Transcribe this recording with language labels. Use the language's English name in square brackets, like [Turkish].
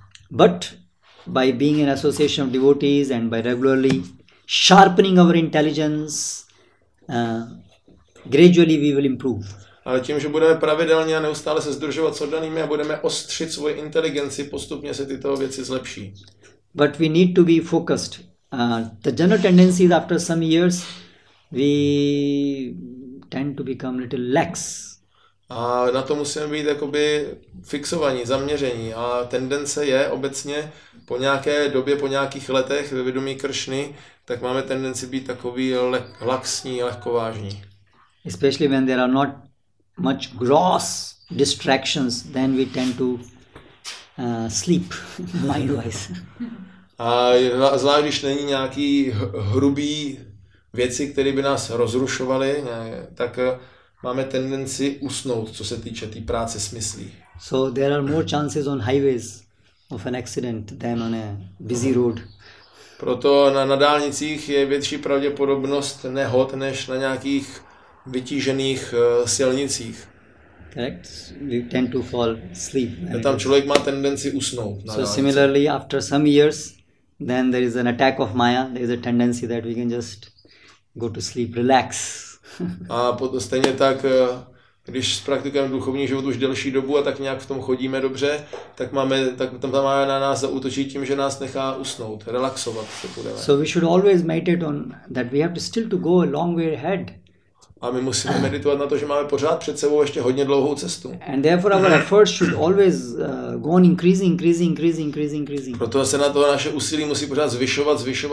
[English] But by being an association of devotees and by regularly sharpening our intelligence, gradually we will improve. [Czech] Ale tím, že budeme pravidelně a neustále se sdružovat s oddanými a budeme ostřit svoji inteligenci, postupně se tyto věci zlepší. [English] But we need to be focused. The general tendency is after some years, we tend to become little lax. [Czech] A na to musíme být jakoby fixovaní, zaměření. A tendence je obecně po nějaké době, po nějakých letech ve vědomí Kršny, tak máme tendenci být takový laxní, lehkovážní. [English] Especially when there are not much gross distractions, then we tend to sleep mind-wise. [Czech] A zvlášť, když není nějaký hrubý věci, které by nás rozrušovaly, tak máme tendenci usnout, co se týče té práce smyslí. [English] So there are more chances on highways of an accident than on a busy road. [Czech] Proto na dálnicích je větší pravděpodobnost nehod než na nějakých vytížených silnicích. [English] Correct. We tend to fall asleep. [Czech] Tam člověk má tendenci usnout. [English] So similarly, after some years, then there is an attack of Maya. There is a tendency that we can just go to sleep, relax. [Czech] A potom stejně tak, když praktikujeme duchovní život už delší dobu a tak nějak v tom chodíme dobře, tak máme, tak tam Maya na nás zaútočí tím, že nás nechá usnout, relaxovat. [English] So we should always meditate on that. We have to still to go a long way ahead. [Czech] A my musíme meditovat na to, že máme pořád před sebou ještě hodně dlouhou cestu. [English] And therefore our efforts should always go on increasing. [Czech] Proto se na to naše úsilí musí pořád zvyšovat.